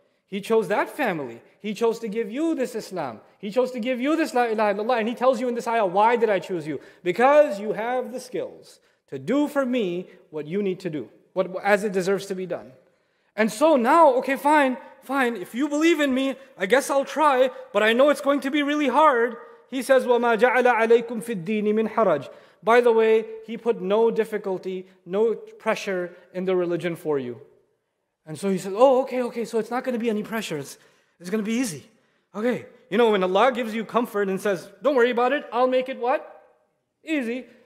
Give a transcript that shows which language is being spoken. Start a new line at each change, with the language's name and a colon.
English: He chose that family. He chose to give you this Islam. He chose to give you this La ilaha illallah. And He tells you in this ayah, why did I choose you? Because you have the skills to do for me what you need to do. As it deserves to be done. And so now, okay, fine. If you believe in me, I guess I'll try. But I know it's going to be really hard. He says,
Arabic: وَمَا جَعَلَ عَلَيْكُمْ فِي الدِّينِ مِنْ حَرَجٍ.
English: By the way, He put no difficulty, no pressure in the religion for you. And so he said, oh, okay, so it's not going to be any pressure. It's going to be easy. Okay, you know, when Allah gives you comfort and says, don't worry about it, I'll make it what? Easy.